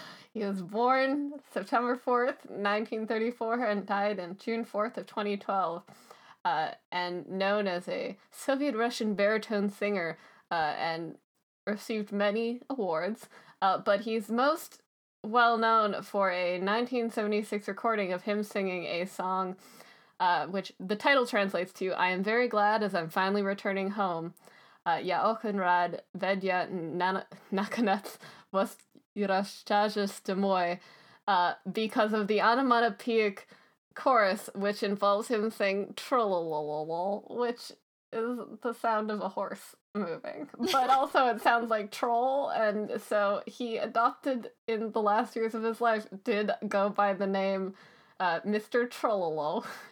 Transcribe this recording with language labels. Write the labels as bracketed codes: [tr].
[en] He was born September 4th, 1934, and died on June 4th of 2012, and known as a Soviet-Russian baritone singer, and received many awards, but he's most well-known for a 1976 recording of him singing a song... which the title translates to, I am very glad as I'm finally returning home. [ru] Я очень рад, ведь я наконец возвращаюсь домой. [en] Because of the onomatopoeic chorus, which involves him saying trollololol, which is the sound of a horse moving. But also it sounds like troll, and so he adopted in the last years of his life, did go by the name Mr. Trollolo.